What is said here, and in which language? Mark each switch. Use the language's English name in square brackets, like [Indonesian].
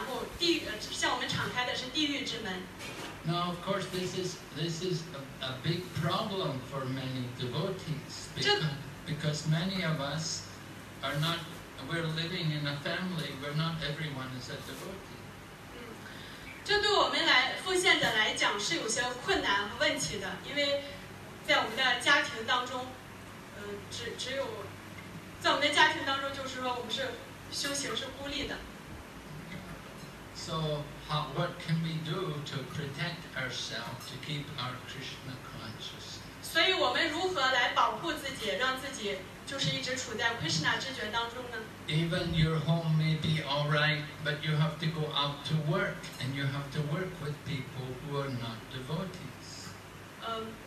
[Chinese] 如果我们去服务于我们的感官享乐的话，然后地向我们敞开的是地狱之门。 [English] Now, of course, this is a big problem for many devotees, because many of us are not. We're living in a family where not everyone is a devotee. [Chinese] 这对我们来奉献者来讲是有些困难和问题的，因为。在我们的家庭当中，只有在我们的家庭当中，就是说我们是修行是孤立的。 [English] So how, what can we do to protect ourselves to keep our Krishna consciousness? [Chinese] 所以我们如何来保护自己，让自己就是一直处在 Krishna 知觉当中呢？ [English] Even your home may be all right, but you have to go out to work, and you have to work with people who are not devotees.